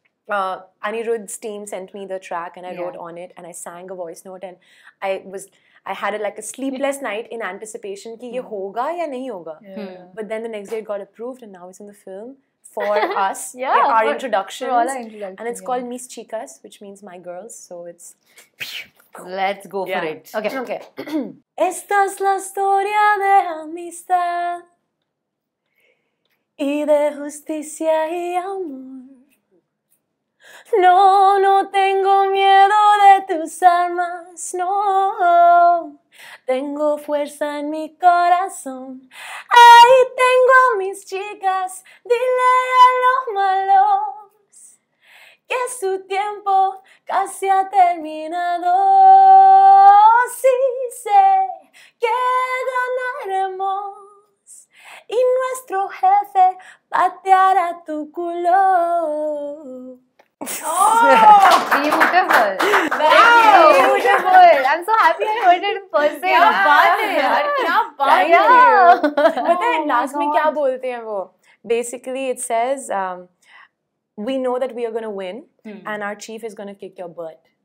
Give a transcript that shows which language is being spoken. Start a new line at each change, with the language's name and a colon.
English: Anirudh's team sent me the track and I wrote on it, and I sang a voice note, and I had like a sleepless night in anticipation
Hindi: ki ye hoga ya nahi hoga.
English: Yeah. But then the next day it got approved and now it's in the film. For us, our introductions. For all our introductions. And it's called Mis Chicas, which means my girls. So it's... Let's go for it. Okay.
Spanish: Esta es la historia de amistad y de justicia y amor. No, no tengo miedo de tus armas, no. Tengo fuerza en mi corazón. Ahí tengo a mis chicas. Dile a los malos que su tiempo casi ha terminado. Sí sé que ganaremos y nuestro jefe pateará tu culo.
English: Oh, beautiful. Beautiful. I'm so happy I heard it in person.
Hindi: Kya baat hai yaar, kya baat hai.
English: But then last
Hindi: mein kya bolte hain wo?
English: Basically it says, we know that we are going to win and our chief is going to kick your butt.